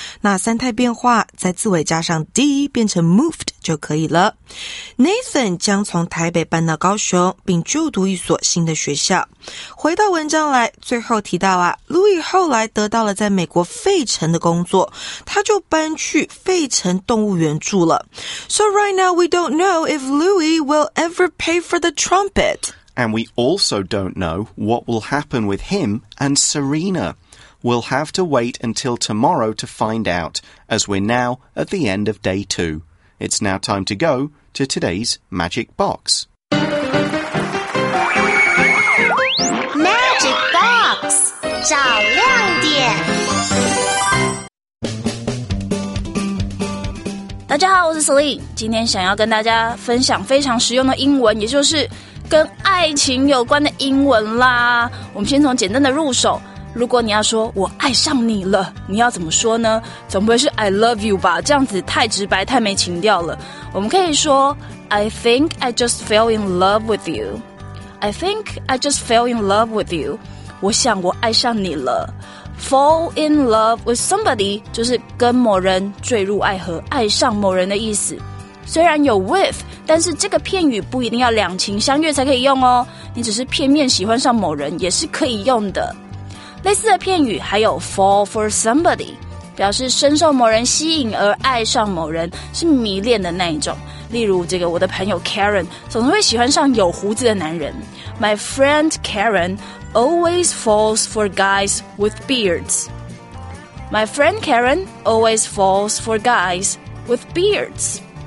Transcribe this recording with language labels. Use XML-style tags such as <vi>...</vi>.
<zh>那三态变化在字尾加上 D 变成 moved 就可以了。 Nathan 将从台北搬到高雄，并就读一所新的学校。回到文章来，最后提到啊 ，Louis 后来得到了在美国费城的工作，他就搬去费城动物园住了。</zh> <en>So right now we don't know if Louis will ever pay for the trumpet. And we also don't know what will happen with him and Serena. We'll have to wait until tomorrow to find out, as we're now at the end of day two. It's now time to go to today's Magic Box. Magic Box!</en> <zh>找亮点大家好我是 Celine 今天想要跟大家分享非常实用的英文也就是跟爱情有关的英文啦。我们先从简单的入手，如果你要说我爱上你了，你要怎么说呢？总不会是</zh> <en>I love you</en> <zh>吧，这样子太直白太没情调了。我们可以说</zh> <en>I think I just fell in love with you. I think I just fell in love with you.</en> <zh>我想我爱上你了。</zh> <en>Fall in love with somebody</en> <zh>就是跟某人坠入爱河，爱上某人的意思。虽然有 with， 但是这个片语不一定要两情相悦才可以用哦，你只是片面喜欢上某人也是可以用的。类似的片语还有</zh> <en>fall for somebody，</en> <zh>表示深受某人吸引而爱上某人，是迷恋的那一种。例如这个我的朋友 Karen 总是会喜欢上有胡子的男人。</zh> <en>My friend Karen always falls for guys with beards. My friend Karen always falls for guys with beards.</en>